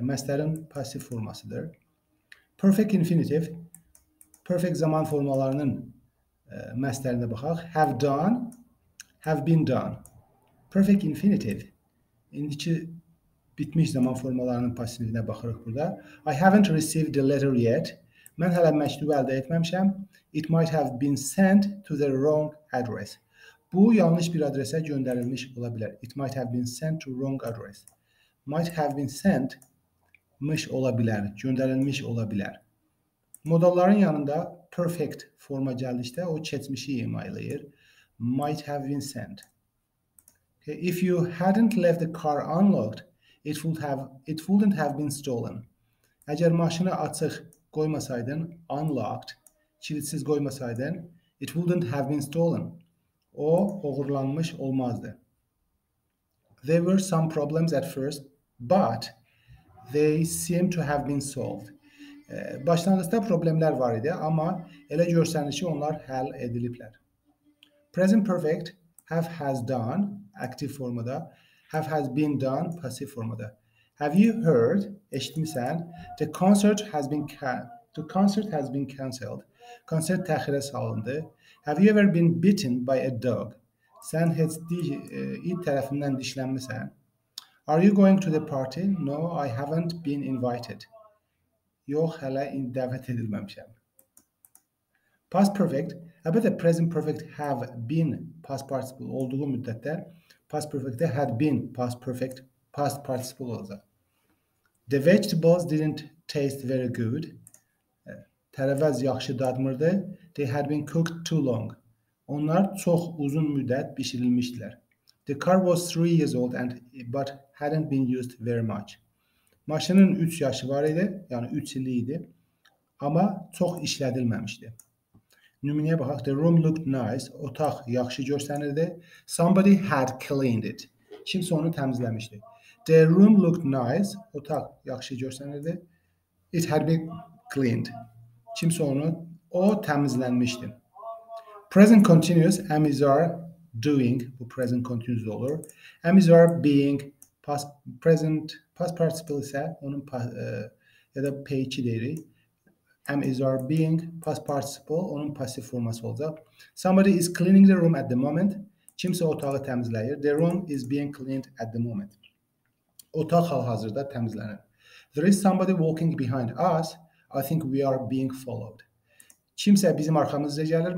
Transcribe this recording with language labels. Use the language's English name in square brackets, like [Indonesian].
[Azerbaijani] Məsələrin passiv formasıdır. Perfect infinitive, perfect zaman formalarının məsdərində baxaq. [English] Have done, have been done. [Azerbaijani] Perfect infinitive, indiki bitmiş zaman formalarının passivinə baxırıq burada. [English] I haven't received the letter yet. [Azerbaijani] Mən hələ məktubu əldə etməmişəm. [English] It might have been sent to the wrong address. [Azerbaijani] Bu, yanlış bir adresə göndərilmiş ola bilər. [English] It might have been sent to wrong address. Might have been sent [Azerbaijani] mış ola bilər, göndərilmiş ola bilər. Modalların yanında perfect forma gəldikdə o keçmişi imaylayır. [English] Might have been sent. Okay, if you hadn't left the car unlocked, it wouldn't have been stolen. [Azerbaijani] Əgər maşını açıq qoymasaydın, unlocked, kilitsiz qoymasaydın, [English] it wouldn't have been stolen. [Azerbaijani] O oğurlanmış olmazdı. [English] There were some problems at first, but they seem to have been solved. [Azerbaijani] Başlanğıcda problemlər var idi, amma elə görsəniz ki, onlar həll ediliblər. Present perfect, have, has, done, aktiv formada, have, has, been, done, passiv formada. [English] Have you heard, [Azerbaijani] eşitmisən, [English] the concert has been cancelled. [Azerbaijani] Konsert təxirə salındı. [English] Have you ever been bitten by a dog? [Azerbaijani] Sən heç it tərəfindən dişlənmisən? [English] Are you going to the party? No, I haven't been invited. [Azerbaijani] Yox, hələ dəvət edilməmişəm. Past perfect. Əlbəttə, [English] the present perfect have been past participle [Azerbaijani] olduğu müddətdə past perfect had been past perfect past participle olacaq. [English] The vegetables didn't taste very good. [Azerbaijani] Tərəvəz yaxşı dadmırdı. [English] They had been cooked too long. [Azerbaijani] Onlar çox uzun müddət bişirilmişdilər. [English] The car was 3 years old and but hadn't been used very much. [Azerbaijani] Maşının 3 yaşı var idi, yəni 3 illik idi, amma çox işlədilməmişdi. Nümunəyə baxaq, [English] the room looked nice, [Azerbaijani] otaq yaxşı görsənirdi. [English] Somebody had cleaned it. [Azerbaijani] Kimsə onu təmizləmişdi. [English] The room looked nice, [Azerbaijani] otaq yaxşı görsənirdi. [English] It had been cleaned. [Azerbaijani] Kimsə onu, o təmizlənmişdi. Present continuous, amis are doing, bu present continuous olur. Amis are being, past participle isə onun ya da P2 deyirik. Amis are being, past participle, onun passive forması olacaq. [English] Somebody is cleaning the room at the moment. [Azerbaijani] Kimsə otağı təmizləyir. [English] The room is being cleaned at the moment. [Azerbaijani] Otaq hal-hazırda təmizlənir. [English] There is somebody walking behind us. I think we are being followed. [Azerbaijani] Kimsə bizim arxamızda gəlir.